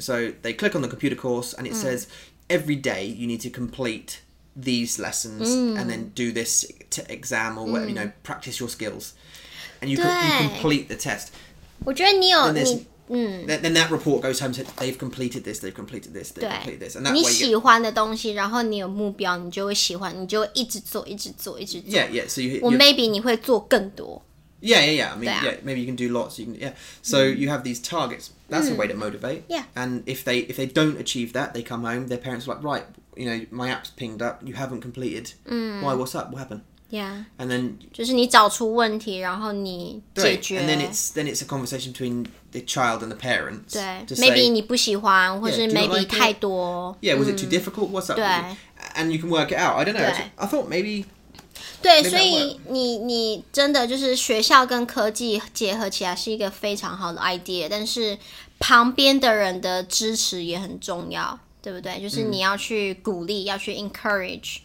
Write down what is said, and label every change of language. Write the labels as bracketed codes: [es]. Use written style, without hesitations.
[en] So they click on the computer course and it says... Every day, you need to complete these lessons and then do this exam or whatever, you know, practice your skills. And you complete the test. [zh] 我觉得你有 [en] Then that report goes home and says, they've completed this, they've completed this, they've completed this. And that [zh] 你喜欢的东西然后你有目标你就会喜欢你就会一直做一直做一直做。 [en] Yeah, yeah. So you, well, maybe [zh] 你会做更多。 [en] Yeah, yeah, yeah. I mean,、啊、 yeah, maybe you can do lots. You can, yeah. So you have these targets. That's a way to motivate. Yeah. And if they don't achieve that, they come home, their parents are like, right, you know, my app's pinged up. You haven't completed. Why? What's up? What happened? Yeah. And then... [zh] 就是你找出问题然后你解决。对 [en] and then it's a conversation between the child and the parents. [zh] 对 [en] Maybe [zh] 你不喜欢或是 [en] yeah, maybe、 like、 [zh] 太多。 [en] Yeah, was it too difficult? What's up? [zh] 对 [en] And you can work it out. I don't know. I thought maybe... [zh] 对所以你真的就是学校跟科技结合起来是一个非常好的 idea, 但是旁边的人的支持也很重要对不对就是你要去鼓励要去 encourage,